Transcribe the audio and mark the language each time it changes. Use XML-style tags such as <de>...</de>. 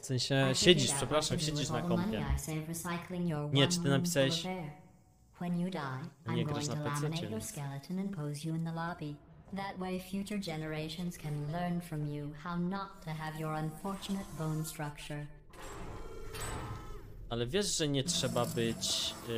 <pl>W sensie, siedzisz, przepraszam, siedzisz na kompie. Nie, czy ty napisałeś?</pl> <en>When you die, I'm going to laminate your skeleton and pose you in the lobby. That way future generations can learn from you how not to have your unfortunate bone structure.</en> <pl>Ale wiesz, że nie trzeba być...</pl>